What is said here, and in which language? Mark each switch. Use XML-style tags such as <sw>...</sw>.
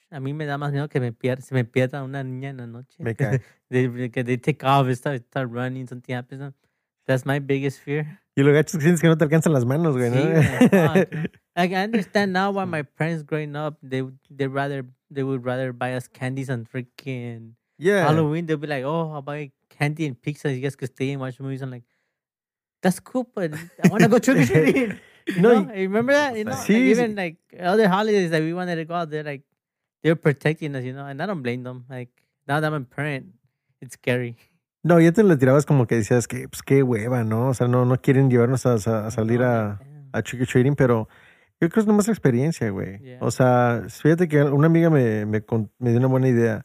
<es>A mí me da más miedo que se me pierda una niña en la noche.</es> <en>They take off and start running, something happens. That's my biggest fear.</en> <es>Y lo gacho es que no te alcanzan las manos, güey. Sí, ¿no?</es> <en>Like, I understand now why my parents growing up, they would rather buy us candies and freaking yeah. Halloween. They'll be like, oh, I'll buy candy and pizza. You guys could stay and watch movies. I'm like, that's cool, but I want to go trick-or-treating. You know, remember that? You know, like even like other holidays that we wanted to go out, they're protecting us, you know, and I don't blame them. Like, now that I'm a parent, it's scary.</en> <es>No, ya te lo tirabas como que decías que, pues, qué hueva, ¿no? O sea, no quieren llevarnos a salir a</es> <en>trick or treating,</en> <es>pero yo creo que es nomás experiencia, güey.</es> <en>Yeah.</en> <es>O sea, fíjate que una amiga me dio una buena idea.</es>